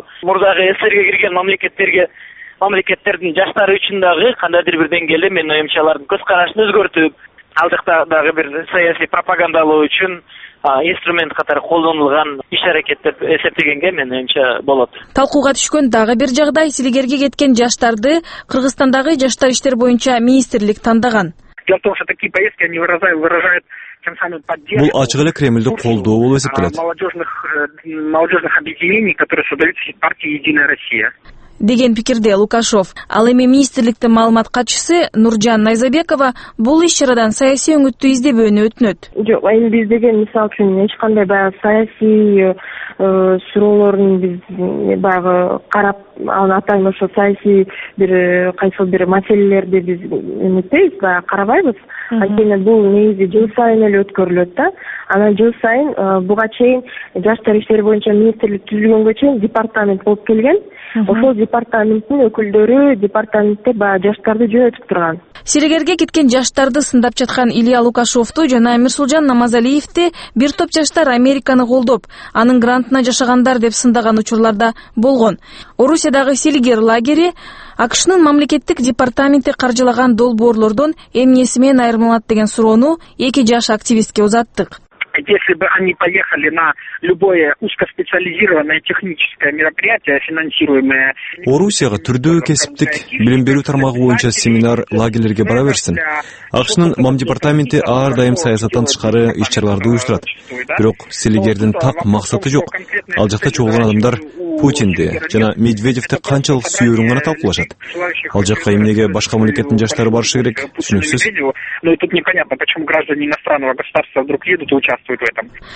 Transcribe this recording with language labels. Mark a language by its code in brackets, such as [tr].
[ky] Бул мурдагы СССРге кирген мамлекеттердин жаштары үчүн дагы кандайдыр бир деңгээлде менин оюмча алардын көз карашын өзгөртүп, ал жакта дагы бир саясий пропагандалоо үчүн инструмент катары колдонулган иш аракет деп эсептегенге менин оюмча болот. Талкууга түшкөн дагы бир жагдай, силигерге кеткен жаштарды Кыргызстандагы жаштар иштери боюнча министрлик тандаган. Бул ачык эле Кремльди колдоо болуп эсептелет. [ru] Молодежных объединений, которые создаются партией Единая Россия. [ky] Деген пикирде Лукашов. Ал эми министрликтин маалымат катчысы Нуржан Найзабекова бул иш чарадан саясий өңүттү издебөөнү өтүнөт. Жок, эми биз деген мисалы үчүн эч кандай баягы саясий суроолорун биз баягы карап анын атайын ошо саясий бир кайсыл бир маселелерди биз эметпейбиз, баягы карабайбыз. Анткени бул негизи жыл сайын эле өткөрүлөт да. Анан жыл сайын буга чейин жаштар иштери боюнча министрлик түзүлгөнгө чейин департамент болуп келген. Ошол департаменттин өкүлдөрү департаментте баягы жаштарды жөнөтүп турган. Силигерге кеткен жаштарды сындап жаткан Илья Лукашовду жана Мирсулжан Намазалиевди бир топ жаштар Американы колдоп, анын грантына жашагандар деп сындаган учурларда болгон. Орусиядагы силигер лагери АКШнын мамлекеттик департаменти каржылаган долбоорлордон эмнеси менен айырмаланат деген суроону эки жаш активистке узаттык. [ru] Если бы они поехали на любое узкоспециализированное техническое мероприятие, финансируемое... [ky] Орусияга түрдүү кесиптик билим берүү тармагы боюнча семинар, лагерлерге бара берсин. АКШнын мамдепартаменти ар дайым саясаттан тышкары иш-чараларды уюштурат. Бирок силигердин так максаты жок. Ал жакта чогулган адамдар Путинди жана Медведевди канчалык сүйөрүн гана талкуулашат. Ал жакка эмнеге башка мамлекеттин жаштары барышы керек? Түшүнүксүз. [ru] Но тут непонятно, почему граждане иностранного государства вдруг едут и участвуют в этом.